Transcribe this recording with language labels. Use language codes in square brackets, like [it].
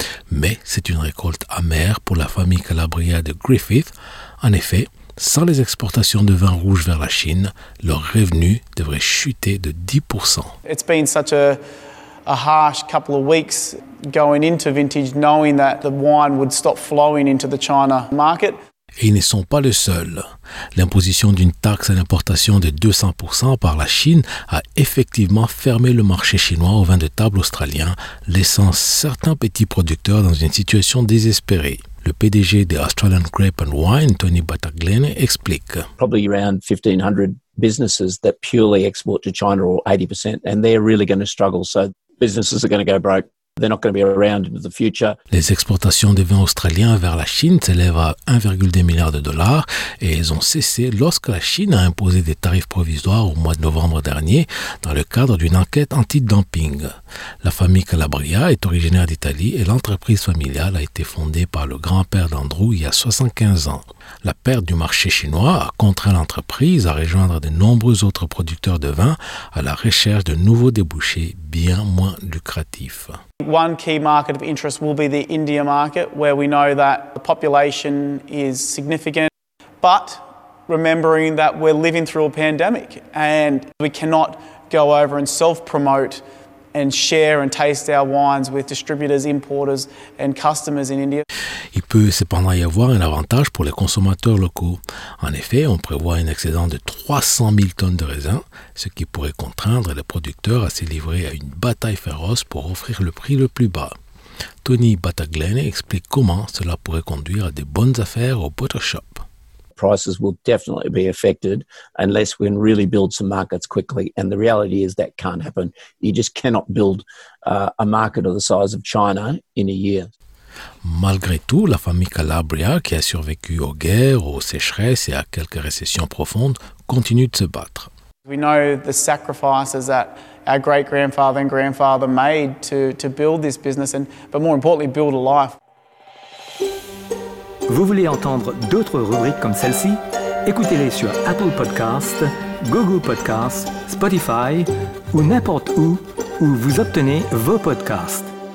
[fr] Mais c'est une récolte amère pour la famille Calabria de Griffith. En effet, sans les exportations de vin rouge vers la Chine, leur revenu devrait chuter de 10%. [en] It's been such a harsh couple of weeks going into vintage, knowing that the wine would stop flowing into the China market. [fr] Et ils ne sont pas les seuls. L'imposition d'une taxe à l'importation de 200% par la Chine a effectivement fermé le marché chinois aux vins de table australiens, laissant certains petits producteurs dans une situation désespérée. Le PDG de Australian Grape and Wine, Tony Bataglene, explique. [en] Probably around 1500 businesses that purely export to China or 80%, and they're really going to struggle. So businesses are going to go broke. They're not going to be around in the future. [fr] Les exportations de vins australiens vers la Chine s'élèvent à 1,2 milliard de dollars et elles ont cessé lorsque la Chine a imposé des tarifs provisoires au mois de novembre dernier dans le cadre d'une enquête anti-dumping. La famille Calabria est originaire d'Italie et l'entreprise familiale a été fondée par le grand-père d'Andrew il y a 75 ans. La perte du marché chinois a contraint l'entreprise à rejoindre de nombreux autres producteurs de vin à la recherche de nouveaux débouchés bien moins lucratifs. [en] One key market of interest will be the India market, where we know that the population is significant. But remembering that we're living through a pandemic and we cannot go over and self-promote and share and taste our wines with distributors, importers and customers in India. [fr] Il peut cependant y avoir un avantage pour les consommateurs locaux. En effet, on prévoit un excédent de 300 000 tonnes de raisins, ce qui pourrait contraindre les producteurs à se livrer à une bataille féroce pour offrir le prix le plus bas. Tony Bataglene explique comment cela pourrait conduire à des bonnes affaires au [en] butcher shop. Prices will definitely be affected unless we can really build some markets quickly. And the reality is that can't happen. You just cannot build a market of the size of China in a year. [fr] Malgré tout, la famille Calabria, qui a survécu aux guerres, aux sécheresses et à quelques récessions profondes, continue de se battre. [en] We know the sacrifices that our great-grandfather and grandfather made to build this business, and but more importantly, build a life. [fr] Vous voulez entendre d'autres rubriques comme celle-ci? Écoutez-les sur Apple Podcasts, Google Podcasts, Spotify ou n'importe où vous obtenez vos podcasts.